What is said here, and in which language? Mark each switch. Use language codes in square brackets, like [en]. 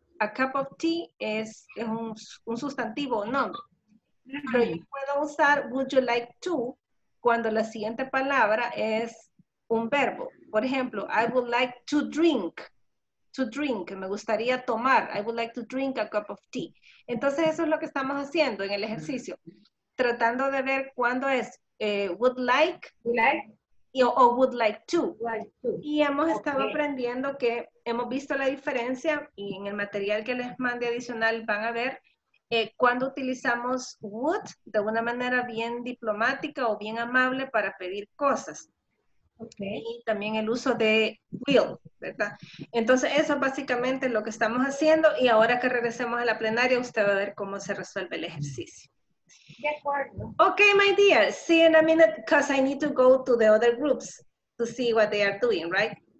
[es] A cup of tea es un sustantivo o nombre. Pero yo puedo usar [en] would you like to [es] cuando la siguiente palabra es un verbo. [en] Por ejemplo, I would like to drink. To drink, [es] me gustaría tomar. [en] I would like to drink a cup of tea. [es] Entonces eso es lo que estamos haciendo en el ejercicio. Tratando de ver cuándo es [en] would like. Would like. O would like to. Like to. [es] Y hemos estado aprendiendo que hemos visto la diferencia y en el material que les mandé adicional van a ver cuando utilizamos would de una manera bien diplomática o bien amable para pedir cosas. Okay. Y también el uso de will, ¿verdad? Entonces eso es básicamente lo que estamos haciendo y ahora que regresemos a la plenaria usted va a ver cómo se resuelve el ejercicio. [en] Okay, my dear, see you in a minute because I need to go to the other groups to see what they are doing, right?